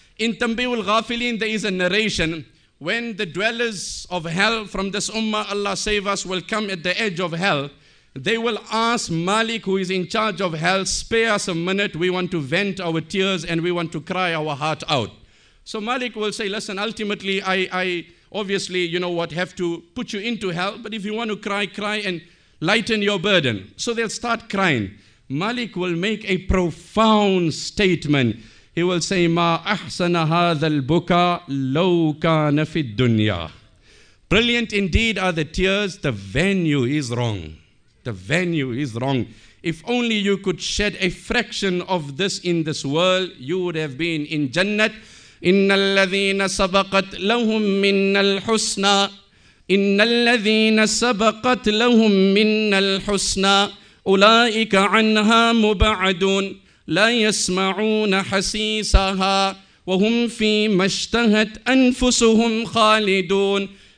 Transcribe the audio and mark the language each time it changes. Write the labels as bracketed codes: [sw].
[en] In Tanbihul Ghafilin there is a narration, when the dwellers of hell from this ummah, Allah save us, will come at the edge of hell, they will ask Malik, who is in charge of hell, spare us a minute, we want to vent our tears and we want to cry our heart out. So Malik will say, listen, ultimately I obviously, you know what, have to put you into hell, but if you want to cry, cry and lighten your burden. So they'll start crying. Malik will make a profound statement. He will say, [ar] ما أحسن هذا البكاء لو كان في الدنيا. [en] Brilliant indeed are the tears. The venue is wrong. The venue is wrong. If only you could shed a fraction of this in this world, you would have been in Jannat. [ar] إِنَّ الَّذِينَ سَبَقَتْ لَهُمْ مِنَّ الْحُسْنَى إِنَّ الَّذِينَ سَبَقَتْ لَهُمْ مِنَّ الْحُسْنَى أُولَئِكَ عَنْهَا مُبَعَدُونَ لَا يَسْمَعُونَ حَسِيسَهَا وَهُمْ فِي مَشْتَهَتْ أَنفُسُهُمْ خَالِدُونَ.